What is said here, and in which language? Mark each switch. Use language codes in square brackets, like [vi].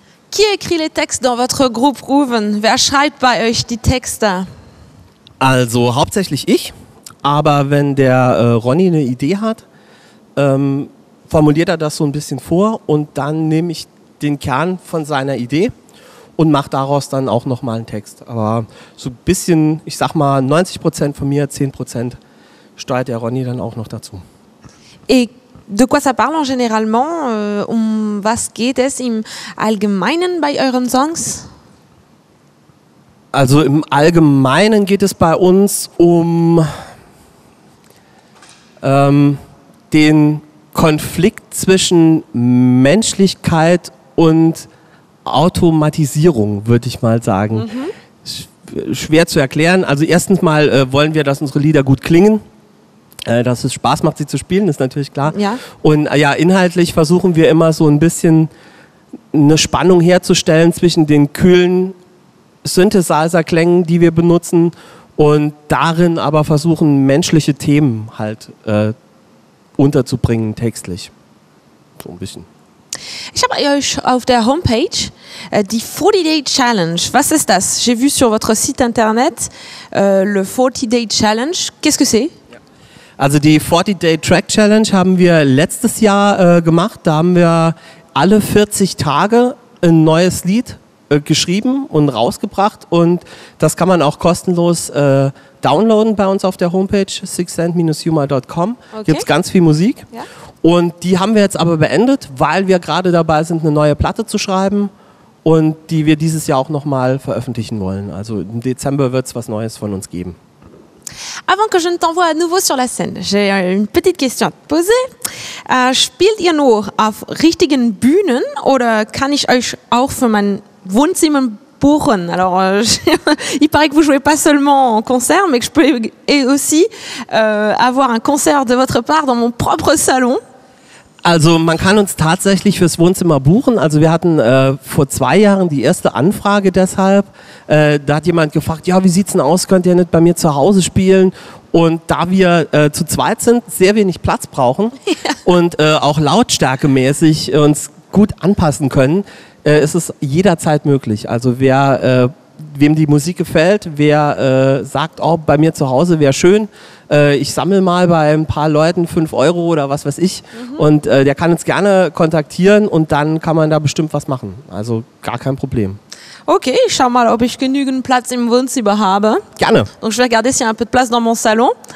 [fr] Qui écrit les textes dans votre groupe, Ruben? [de] Wer schreibt bei euch die Texte? Also hauptsächlich ich, aber wenn der Ronny eine Idee hat, formuliert er das so ein bisschen vor und dann nehme ich den Kern von seiner Idee und mache daraus dann auch nochmal einen Text. Aber so ein bisschen, ich sag mal 90% von mir, 10% steuert der Ronny dann auch noch dazu. [fr] Et de quoi ça parle en général? [de] Um was geht es im Allgemeinen bei euren Songs? Also im Allgemeinen geht es bei uns um den Konflikt zwischen Menschlichkeit und Automatisierung, würde ich mal sagen. Mhm. Schwer zu erklären. Also erstens mal wollen wir, dass unsere Lieder gut klingen. Dass es Spaß macht, sie zu spielen, ist natürlich klar. Ja. Und ja, inhaltlich versuchen wir immer so ein bisschen eine Spannung herzustellen zwischen den kühlen Synthesizer-Klängen, die wir benutzen, und darin aber versuchen, menschliche Themen halt unterzubringen, textlich. So ein bisschen. Ich habe euch auf der Homepage die 40-Day Challenge. Was ist das? [fr] J'ai vu sur votre site internet le 40-Day Challenge. Qu'est-ce que c'est? [de] Also die 40-Day-Track-Challenge haben wir letztes Jahr gemacht. Da haben wir alle 40 Tage ein neues Lied geschrieben und rausgebracht. Und das kann man auch kostenlos downloaden bei uns auf der Homepage, sixthsense-humor.com. Okay. Gibt's ganz viel Musik. Ja. Und die haben wir jetzt aber beendet, weil wir gerade dabei sind, eine neue Platte zu schreiben und die wir dieses Jahr auch nochmal veröffentlichen wollen. Also im Dezember wird's was Neues von uns geben. [fr] Avant que je ne t'envoie à nouveau sur la scène, j'ai une petite question à te poser. [de] Spielt ihr nur auf richtigen Bühnen oder kann ich euch auch für mein Wohnzimmer buchen? [fr] Alors, il paraît que vous jouez pas seulement en concert, mais que je peux aussi avoir un concert de votre part dans mon propre salon. [de] Also man kann uns tatsächlich fürs Wohnzimmer buchen. Also wir hatten vor 2 Jahren die erste Anfrage deshalb. Da hat jemand gefragt, ja, wie sieht's denn aus, könnt ihr nicht bei mir zu Hause spielen? Und da wir zu zweit sind, sehr wenig Platz brauchen, ja, und auch lautstärkemäßig uns gut anpassen können, ist es jederzeit möglich. Also wer wem die Musik gefällt, wer sagt, oh, bei mir zu Hause wäre schön, ich sammle mal bei ein paar Leuten 5 Euro oder was weiß ich, und der kann uns gerne kontaktieren und dann kann man da bestimmt was machen. Also gar kein Problem. Okay, ich schau mal, ob ich genügend Platz im Wohnzimmer habe. Gerne. [fr] Donc je vais regarder s'il y a un peu de place dans mon salon.